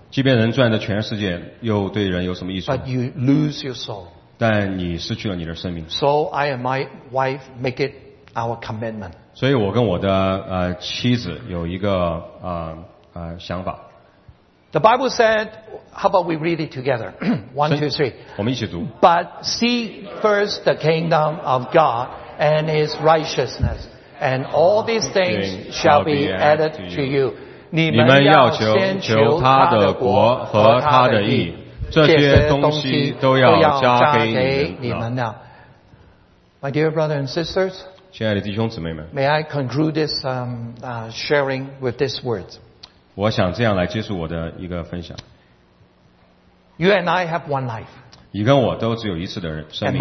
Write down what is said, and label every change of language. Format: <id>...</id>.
<zh>即便人赚的全世界，又对人有什么益处？</zh> <en>But you lose your soul.</en> <zh>但你失去了你的生命。</zh> <en>So I and my wife make it our commitment.</en> <zh>所以我跟我的妻子有一个想法。</zh> <en>The Bible said, how about we read it together? One, two, three.</en> <zh>我们一起读。</zh> <en>But seek first the kingdom of God. And his righteousness, and all these things shall be added to you.</en> <zh>你们要先求他的国和他的义，这些东西都要加给你们了。</zh> <en>My dear brothers and sisters,</en> <zh>亲爱的弟兄姊妹们</zh> <en>，May I conclude this sharing with these words?</en> <zh>我想这样来结束我的一个分享。</zh> <en>You and I have one life.</en> <zh>你跟我都只有一次的生命。</zh>